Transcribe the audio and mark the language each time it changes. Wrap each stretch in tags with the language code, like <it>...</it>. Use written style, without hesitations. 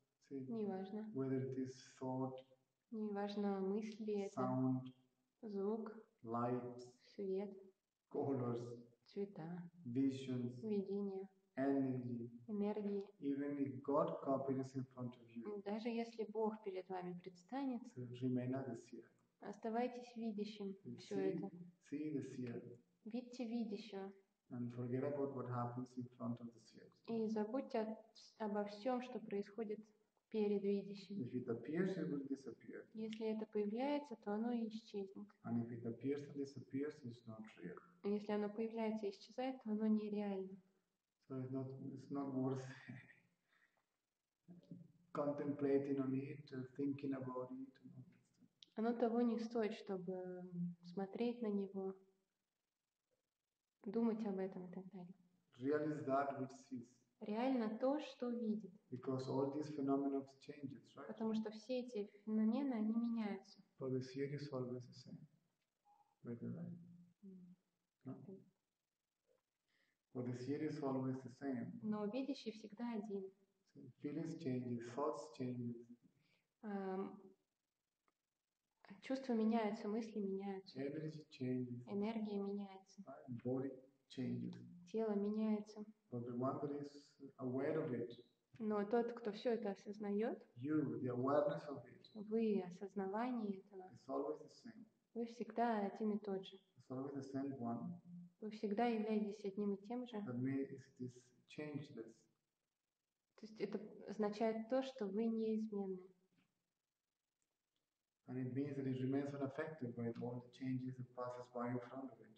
<ru>Неважно.</ru> <en>Whether it is thought.</en> <ru>Неважно, мысли это.</ru> <en>Sound.</en> <ru>Звук.</ru> <en>Lights.</en> <ru>Свет,</ru> <en>colors,</en> <ru>цвета,</ru> <en>visions,</en> <ru>видения,</ru> <en>energy,</en> <ru>энергии.</ru> <en>Even if God appears in front of you,</en> <ru>даже если Бог перед вами предстанет,</ru> <en>remain as the seer.</en> <ru>Оставайтесь видящим все это.</ru> <en>See the seer.</en> <ru>Видьте видящего.</ru> <en>And forget about what happens in front of the seer.</en> <ru>И забудьте обо всем, что происходит перед видящим.</ru> <en>If it appears, it will disappear.</en> <ru>Если это появляется, то оно исчезнет.</ru> <en>And if it appears and disappears, it's not real.</en> <ru>Если оно появляется и исчезает, то оно нереально.</ru> <en>So it's not worth contemplating on it, thinking about it.</en> <ru>Оно того не стоит, чтобы смотреть на него, думать об этом и так далее.</ru> <en>Realize that which sees.</en> <ru>Реально то, что видит.</ru> <en>Because all these phenomena change, right?</en> <ru>Потому что все эти феномены, они меняются.</ru> <en>But the theory is always the same. Right, right? No. But the theory is always the same.</en> <ru>Но видящий всегда один.</ru> <en>So feelings change, thoughts change.</en> <ru>Чувства меняются, мысли меняются.</ru> <en>Energy changes.</en> <ru>Энергия меняется.</ru> <en>Right? Body changes.</en> <ru>Тело меняется.</ru> <en>But the one that is aware of it.</en> <ru>Но тот, кто все это осознает,</ru> <en>you, the awareness of it,</en> <ru>вы, осознавание этого,</ru> <en>it's always the same.</en> <ru>Вы всегда один и тот же.</ru> <en>It's always the same one.</en> <ru>Вы всегда являетесь одним и тем же.</ru> <en>That means it is changeless.</en> <ru>То есть это означает то, что вы неизменны.</ru> <en>And it means that it remains unaffected by all the changes that passes by in front of it.</en>